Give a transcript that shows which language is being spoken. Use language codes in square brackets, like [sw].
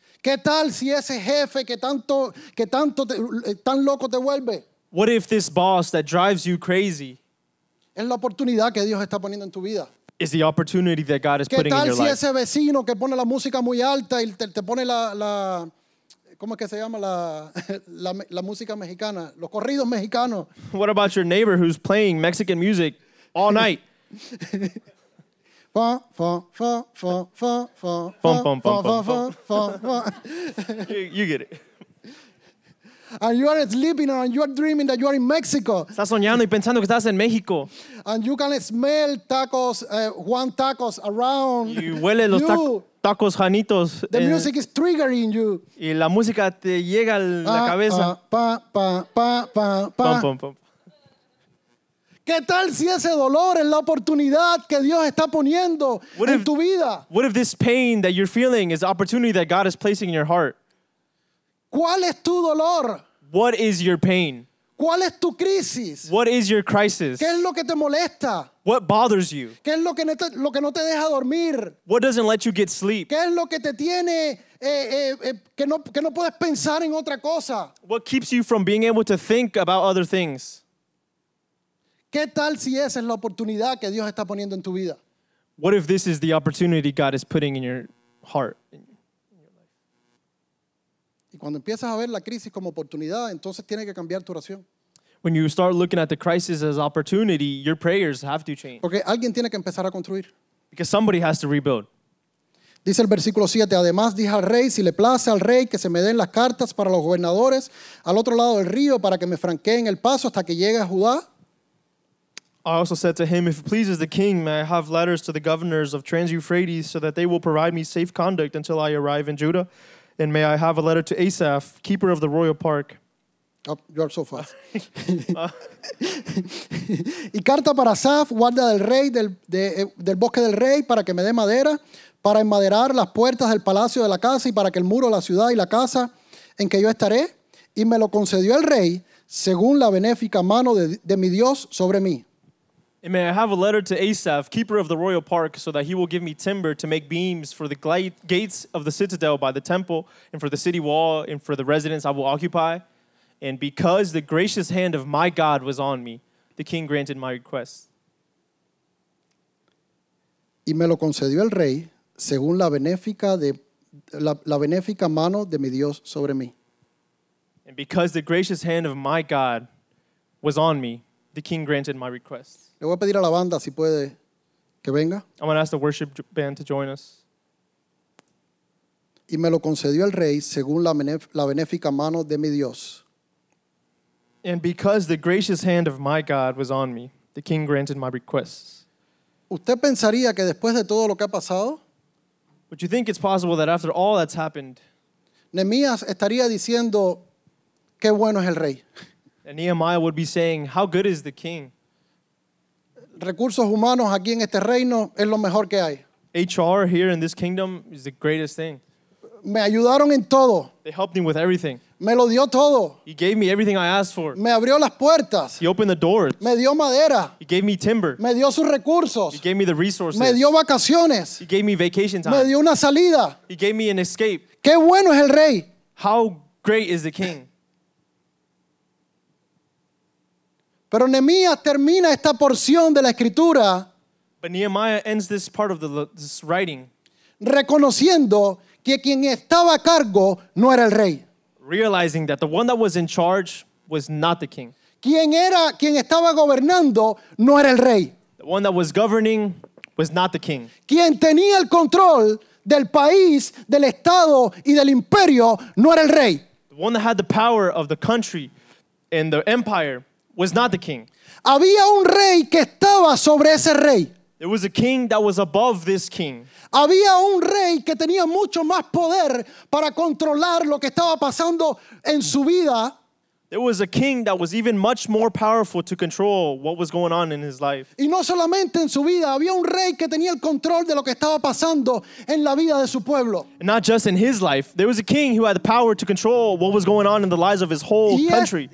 [es] ¿Qué tal si ese jefe que tan loco te vuelve? [en] What if this boss that drives you crazy? [es] Es la oportunidad que Dios está poniendo en tu vida. [en] Is the opportunity that God is [es] ¿Qué [en] putting [es] tal [en] in your [es] si [en] life? [es] Ese vecino que pone la música muy alta y te pone la ¿cómo es que se llama la música mexicana? Los corridos mexicanos. [en] What about your neighbor who's playing Mexican music all night? Fun, fun, fun, fun, fun, fun, fun, fun, fun, fun, fun, fun, fun. You get it. And you are sleeping and you are dreaming that you are in Mexico. [es] Estás soñando y pensando que estás en México. [en] And you can smell tacos, Juan tacos around. [es] Y huele los tacos Juanitos. [en] The music is triggering you. [es] Y la música te llega a la cabeza. Pa, pa, pa, pa, pa. Pum, pum, pum. ¿Qué tal si ese dolor es la oportunidad que Dios está poniendo en tu vida? [en] What if this pain that you're feeling is the opportunity that God is placing in your heart? [es] ¿Cuál es tu dolor? [en] What is your pain? [es] ¿Cuál es tu crisis? [en] What is your crisis? [es] ¿Qué es lo que te molesta? [en] What bothers you? [es] ¿Qué es lo que no te deja dormir? [en] What doesn't let you get sleep? [es] ¿Qué es lo que te tiene que no puedes pensar en otra cosa? [en] What keeps you from being able to think about other things? [es] ¿Qué tal si esa es la oportunidad que Dios está poniendo en tu vida? [en] What if this is the opportunity God is putting in your heart? [es] Y cuando empiezas a ver la crisis como oportunidad, entonces tienes que cambiar tu oración. [en] When you start looking at the crisis as opportunity, your prayers have to change. [es] Porque alguien tiene que empezar a construir. [en] Because somebody has to rebuild. [es] Dice el versículo 7, además dije al rey, si le place al rey que se me den las cartas para los gobernadores al otro lado del río para que me franqueen el paso hasta que llegue a Judá. [en] I also said to him, if it pleases the king, may I have letters to the governors of Trans-Euphrates so that they will provide me safe conduct until I arrive in Judah. And may I have a letter to Asaph, keeper of the royal park. Oh, you are so fast. [es] Y carta para Asaph, guarda del rey, del bosque del rey, para que me dé madera, para enmaderar las puertas del palacio de la casa y para que el muro, la ciudad y la casa en que yo estaré. Y me lo concedió el rey, según la benéfica mano de mi Dios sobre mí. [en] And may I have a letter to Asaph, keeper of the royal park, so that he will give me timber to make beams for the gates of the citadel by the temple and for the city wall and for the residence I will occupy. And because the gracious hand of my God was on me, the king granted my request. [es] Y me lo concedió el rey según la benéfica mano de mi Dios sobre mí. [en] And because the gracious hand of my God was on me, the king granted my request. [es] Le voy a pedir a la banda si puede que venga. [en] I'm going to ask the worship band to join us. [es] Y me lo concedió el rey según la benéfica mano de mi Dios. [en] And because the gracious hand of my God was on me, the king granted my requests. [es] ¿Usted pensaría que después de todo lo que ha pasado? [en] Would you think it's possible that after all that's happened, [es] Nehemías estaría diciendo, qué bueno es el rey. [en] And Nehemiah would be saying, how good is the king? [es] Recursos humanos aquí en este reino es lo mejor que hay. [en] HR here in this kingdom is the greatest thing. [es] Me ayudaron en todo. [en] They helped me with everything. [es] Me lo dio todo. [en] He gave me everything I asked for. [es] Me abrió las puertas. [en] He opened the doors. [es] Me dio madera. [en] He gave me timber. [es] Me dio sus recursos. [en] He gave me the resources. [es] Me dio vacaciones. [en] He gave me vacation time. [es] Me dio una salida. [en] He gave me an escape. [es] Qué bueno es el rey. [en] How great is the king. [es] Pero Nehemías termina esta porción de la escritura. [en] But Nehemiah ends this part of this writing. [es] Reconociendo que quien estaba a cargo no era el rey. [en] Realizing that the one that was in charge was not the king. [es] Quien era, quien estaba gobernando, no era el rey. [en] The one that was governing was not the king. [es] Quien tenía el control del país, del estado y del imperio no era el rey. [en] The one that had the power of the country and the empire was not the king. [es] Había un rey que estaba sobre ese rey. [en] There was a king that was above this king. [es] Había un rey que tenía mucho más poder para controlar lo que estaba pasando en su vida. [en] There was a king that was even much more powerful to control what was going on in his life. [es] Y no solamente en su vida, había un rey que tenía el control de lo que estaba pasando en la vida de su pueblo. [en] And not just in his life, there was a king who had the power to control what was going on in the lives of his whole country.